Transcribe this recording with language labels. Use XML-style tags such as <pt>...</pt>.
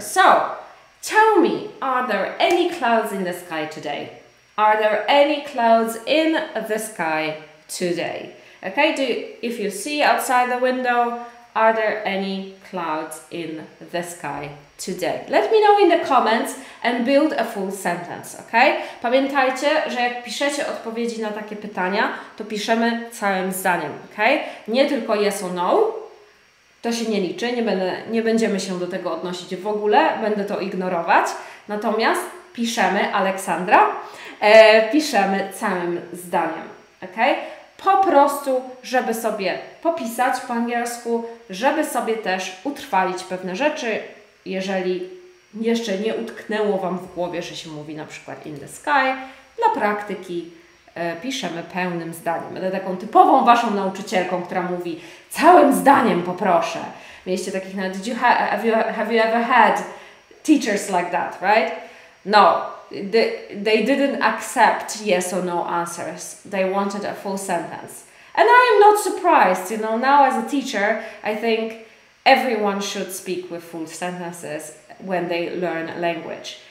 <en>So, tell me, are there any clouds in the sky today? Are there any clouds in the sky today? Okay, if you see outside the window, are there any clouds in the sky today? Let me know in the comments and build a full sentence, okay?</en> <pl>Pamiętajcie, że jak piszecie odpowiedzi na takie pytania, to piszemy całym zdaniem, okay? Nie tylko</pl> <en>yes or no,</en> <pl>to się nie liczy, nie będziemy się do tego odnosić w ogóle, będę to ignorować, natomiast piszemy, Aleksandra, piszemy całym zdaniem, ok? Po prostu, żeby sobie popisać po angielsku, żeby sobie też utrwalić pewne rzeczy, jeżeli jeszcze nie utknęło Wam w głowie, że się mówi na przykład</pl> <en>in the sky,</en> <pl>dla praktyki piszemy pełnym zdaniem. Będę taką typową Waszą nauczycielką, która mówi całym zdaniem poproszę. Mieliście takich nawet,</pl> <en>have you ever had teachers like that, right? No, they didn't accept yes or no answers. They wanted a full sentence. And I am not surprised, you know, now as a teacher, I think everyone should speak with full sentences when they learn a language.</en>